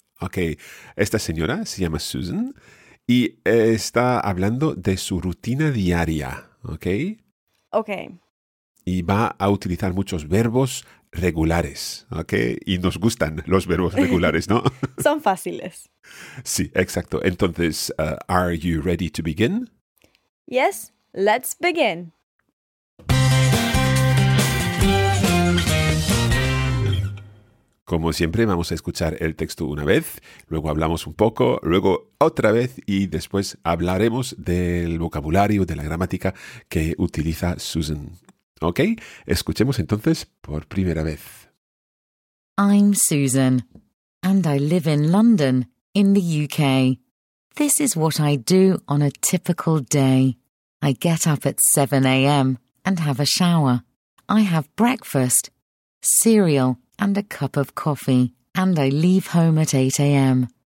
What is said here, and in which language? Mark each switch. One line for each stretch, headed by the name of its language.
Spanish: Ok, esta señora se llama Susan y está hablando de su rutina diaria, ¿ok? Ok. Y va a utilizar muchos verbos regulares, ¿ok? Y nos gustan los verbos regulares, ¿no? Son fáciles. Sí, exacto. Entonces,
English: are you ready to begin? Yes, let's begin.
Spanish: Como siempre, vamos a escuchar el texto una vez, luego hablamos un poco, luego otra vez y después hablaremos del vocabulario, de la gramática que utiliza Susan. ¿Ok? Escuchemos entonces por primera vez.
English: I'm Susan, and I live in London, in the UK. This is what I do on a typical day. I get up at 7 a.m. and have a shower. I have breakfast, cereal, and a cup of coffee, and I leave home at 8 a.m.